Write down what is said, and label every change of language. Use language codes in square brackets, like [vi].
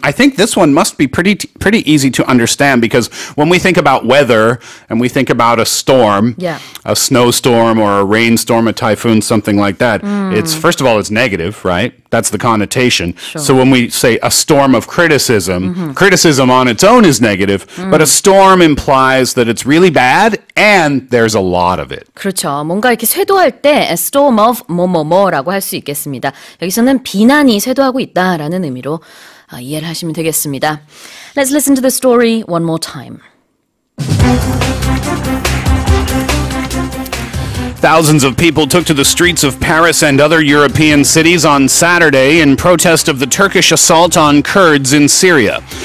[en] I think this one must be pretty easy to understand because when we think about weather and we think about a storm, a snowstorm or a rainstorm, a typhoon, something like that, it's first of all, it's negative, right? That's the connotation. Sure. So when we say a storm of criticism, criticism on its own is negative, but a storm implies that it's really bad and there's a lot of it. [ko] 그렇죠. 뭔가 이렇게 쇄도할 때 [en] a storm of [ko] 뭐뭐뭐라고 할 수 있겠습니다. 여기서는 비난이 쇄도하고 있다라는 의미로 이해를 하시면 되겠습니다. [en] Let's listen to the story one more time. Thousands of people took to the streets of Paris and other European cities on Saturday in protest of the Turkish assault on Kurds in Syria.